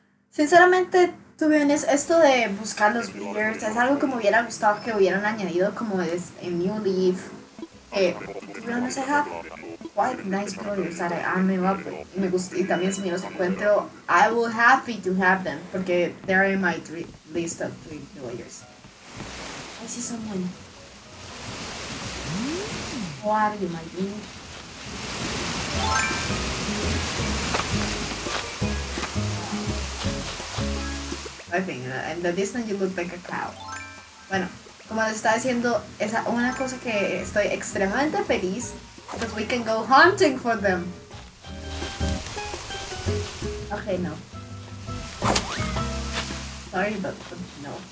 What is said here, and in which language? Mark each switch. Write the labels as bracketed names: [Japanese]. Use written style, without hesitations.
[Spanish] Sinceramente, tú vienes, esto de buscar los builders es algo que me hubiera gustado que hubieran añadido como es en New Leaf. [English] To be honest, I have quite nice players that I'm in love with. [Spanish] Me gusta, y también si me los encuentro, [English] I will be happy to have them, [Spanish] porque [English] they're in my list of three players. I see someone. Who are you, my dude? I think, in the distance you look like a cow. [Spanish] Bueno. Como les estaba diciendo, es una cosa que estoy extremadamente feliz. [English] Because we can go hunting for them. [Spanish] Ok, no. [English] Sorry, but no.